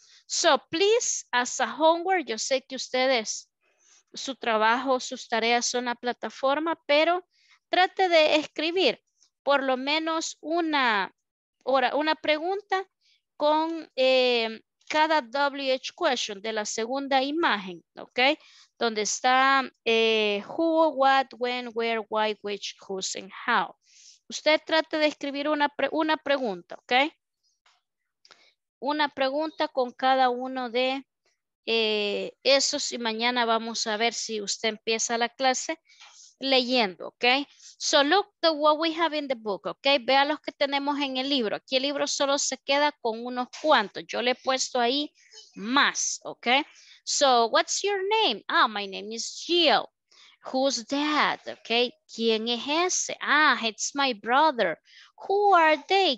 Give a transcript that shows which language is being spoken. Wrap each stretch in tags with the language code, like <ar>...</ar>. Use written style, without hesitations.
<en>So, please, as a homework,</en> <es>yo sé que ustedes, su trabajo, sus tareas son la plataforma, pero trate de escribir por lo menos una pregunta con cada WH question de la segunda imagen, ¿ok? Donde está who, what, when, where, why, which, whose, and how. Usted trate de escribir una pregunta, ¿ok? Una pregunta con cada uno de esos y mañana vamos a ver si usted empieza la clase leyendo, ¿ok?</es> <en>So look at what we have in the book, ¿ok?</en> <es>Vea los que tenemos en el libro. Aquí el libro solo se queda con unos cuantos. Yo le he puesto ahí más, ¿ok?</es> <en>So what's your name? Ah, my name is Jill. Who's that? ¿Ok?</en> <es>¿Quién es ese?</es> <en>Ah, it's my brother. Who are they?</en>